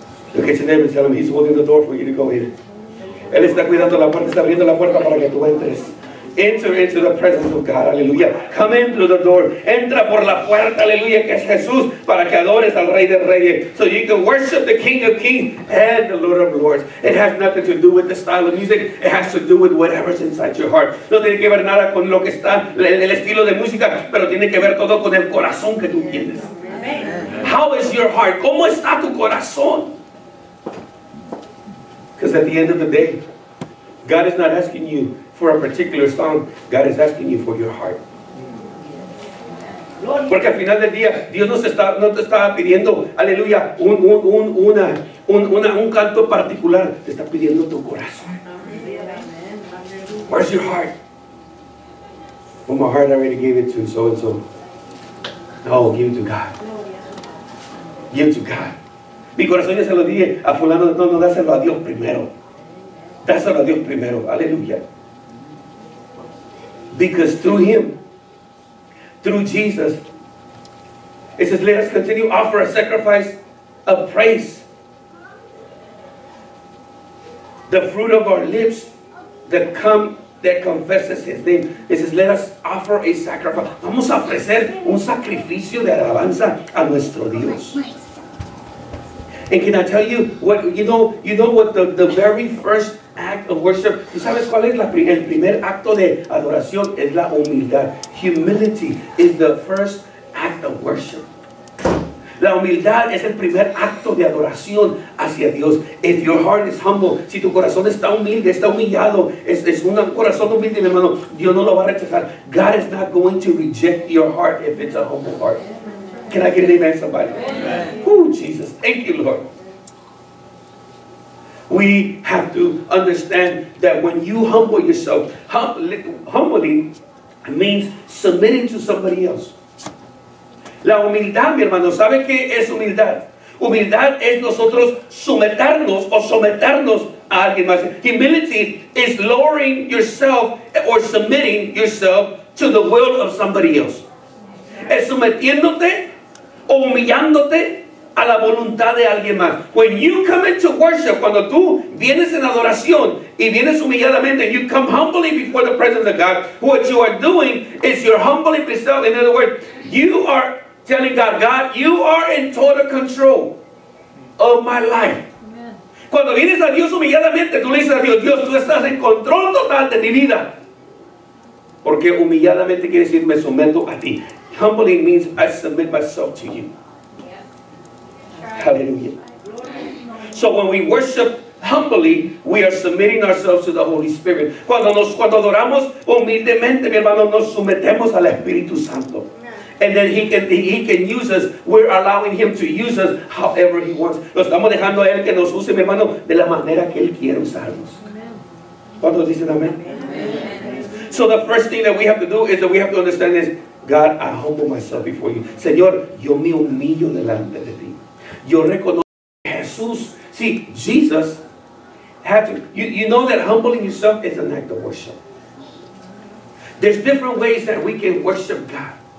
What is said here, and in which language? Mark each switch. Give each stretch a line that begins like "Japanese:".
English: He's holding the door for you to go in.
Spanish: Él está cuidando la puerta, está abriendo la puerta para que tú entres.
English: Enter into the presence of God,
Spanish: aleluya.
English: Come in through the door.
Spanish: Entra por la puerta, aleluya, que es Jesús, para que adores al Rey de Reyes.
English: So you can worship the King of Kings and the Lord of Lords. It has nothing to do with the style of music. It has to do with whatever's inside your heart.
Spanish: No tiene que ver nada con lo que está, el estilo de música, pero tiene que ver todo con el corazón que tú tienes.
English: How is your heart?
Spanish: ¿Cómo está tu corazón?
English: Because at the end of the day, God is not asking you for a particular song. God is asking you for your heart.
Spanish: Porque al final del día, Dios no te está pidiendo, aleluya, un canto particular. Te está pidiendo tu corazón.
English: Where's your heart? Well, my heart I already gave it to so and so. No, give it to God. Give it to God.
Spanish: Mi corazón ya se lo di a fulano. No, no, dáselo a Dios primero. Dáselo a Dios primero. Aleluya.
English: Because through him, through Jesus, it says, let us continue offer a sacrifice of praise. The fruit of our lips that confesses his name. It says, let us offer a sacrifice.
Spanish: Vamos a ofrecer un sacrificio de alabanza a nuestro Dios.
English: And can I tell you what, you know what the very first act of worship,
Spanish: ¿tú sabes cuál es el primer acto de adoración? Es la humildad.
English: Humility is the first act of worship.
Spanish: La humildad es el primer acto de adoración hacia Dios.
English: If your heart is humble,
Spanish: si tu corazón está humilde, está humillado, es un corazón humilde, mi hermano, Dios no lo va a rechazar.
English: God is not going to reject your heart if it's a humble heart. Can I get an amen, somebody? Amen. Ooh, Jesus. Thank you, Lord. We have to understand that when you humble yourself, humbling means submitting to somebody else.
Spanish: La humildad, mi hermano, ¿sabe qué es humildad? Humildad es nosotros someternos o someternos a alguien más.
English: Humility is lowering yourself or submitting yourself to the will of somebody else.
Spanish: Es sometiéndote o humillándote a la voluntad de alguien más.
English: When you come into worship,
Spanish: cuando tú vienes en adoración y vienes humilladamente,
English: you come humbly before the presence of God, what you are doing is you're humbling yourself. In other words, you are telling God, God, you are in total control of my life. Amen.
Spanish: Cuando vienes a Dios humilladamente, tú le dices a Dios, Dios, tú estás en control total de mi vida. Porque humilladamente quiere decir, me someto a ti.
English: Humbly means I submit myself to you.
Spanish: Hallelujah.
English: So when we worship humbly, we are submitting ourselves to the Holy Spirit.
Spanish: Cuando adoramos humildemente, mi hermano, nos sometemos al Espíritu Santo.
English: And then he can use us. We're allowing him to use us however he wants.
Spanish: Lo estamos dejando a él que nos use, mi hermano, de la manera que él quiere usarnos. ¿Cuántos dicen amén?
English: Amen. So the first thing that we have to do is that we have to understand is, God, I humble myself before you.
Spanish: Señor, yo me humillo delante de ti. Yo reconozco que Jesús,
English: see, Jesus had to. You know that humbling yourself is an act of worship. There's different ways that we can worship God.